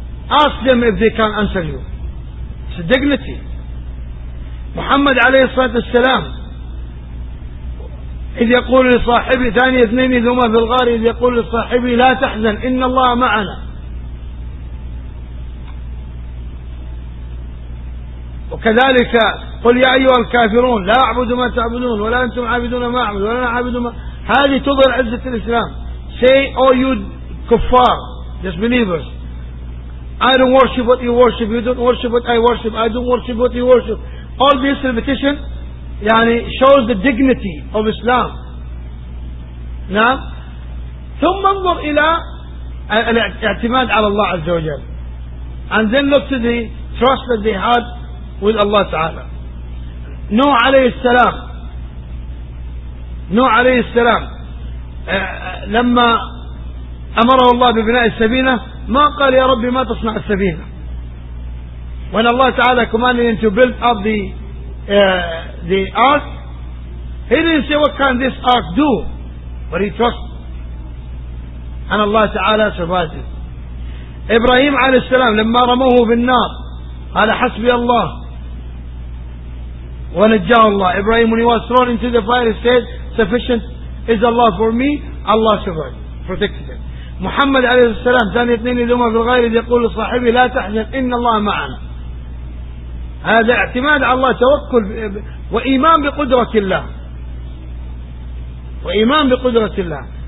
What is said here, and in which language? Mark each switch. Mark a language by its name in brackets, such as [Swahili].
[English] Ask them if they can answer you. It's a dignity. [Arabic] محمد عليه الصلاة والسلام إذ يقول لصاحبي, ثاني اثنين ذوما في الغار, إذ يقول لصاحبي لا تحزن إن الله معنا. وكذلك قل يا أيها الكافرون لا أعبد ما تعبدون ولا أنتم عابدون ما أعبد ولا أعبد ما. هذه تظهر عزة الإسلام. [English] Say all you kuffar, just believers, I don't worship what you worship, you don't worship what I worship, I don't worship what you worship. All this repetition shows the dignity of Islam. [Arabic] نعم. ثم انظر إلى الاعتماد على الله عز وجل, [English] and then look to the trust that they had with Allah Ta'ala. [Arabic] Nuh عليه السلام, Nuh عليه السلام لما أمره الله ببناء السفينة ما قال يا ربي ما تصنع السفينة. [English] When Allah Ta'ala commanded him to build up the ark, he didn't say what can this ark do, but he trusted and Allah Ta'ala survived it. [Arabic] Ibrahim عليه السلام لما رموه بالنار قال حسبي الله ونجاه الله. [English] Ibrahim, when he was thrown into the fire, he said, sufficient is Allah for me. Allah survived, protected him. [Arabic] Muhammad عليه السلام ثاني اثنين ذوما في الغار يقول لصاحبي لا تحزن إن الله معنا. هذا اعتماد على الله, توكل وإيمان بقدرة الله, وإيمان بقدرة الله.